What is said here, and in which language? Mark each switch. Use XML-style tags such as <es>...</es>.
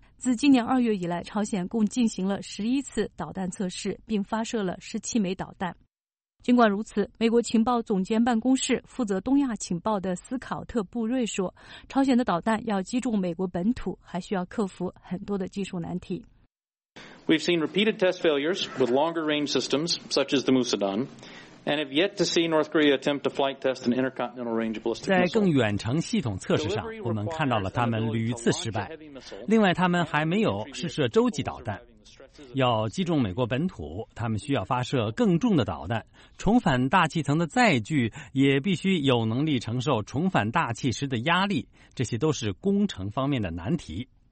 <zh>自今年2月以来，朝鲜共进行了11次导弹测试，并发射了17枚导弹。尽管如此，美国情报总监办公室负责东亚情报的斯考特·布瑞说，朝鲜的导弹要击中美国本土，还需要克服很多的技术难题。</zh> <en>We've seen repeated test failures with longer range systems, such as the Musudan, and have yet to see North Korea attempt to flight test an intercontinental range ballistic missile.</en> <zh>在更远程系统测试上，我们看到了他们屡次失败。另外，他们还没有试射洲际导弹。要击中美国本土，他们需要发射更重的导弹。重返大气层的载具也必须有能力承受重返大气时的压力，这些都是工程方面的难题。</zh>